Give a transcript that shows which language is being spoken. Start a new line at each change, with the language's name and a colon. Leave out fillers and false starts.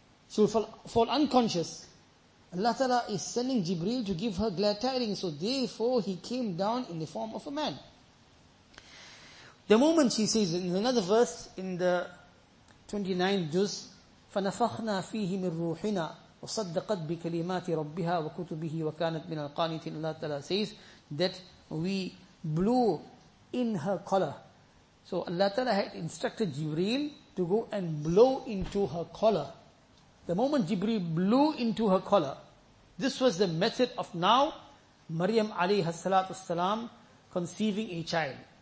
English: She'll fall unconscious. Allah Ta'ala is sending Jibreel to give her glad tidings. So therefore, he came down in the form of a man. The moment she says, in another verse, in the 29th juz,
Arabic: فَنَفَخْنَا فِيهِ مِنْ رُوحِنَا. وصدقت بكلمات ربها وكتبه وكانت من القانتين.
English: Allah Ta'ala says that we blew in her collar. So Allah Ta'ala had instructed Jibreel to go and blow into her collar. The moment Jibreel blew into her collar, this was the method of now Maryam alayhi salatu salam conceiving a child.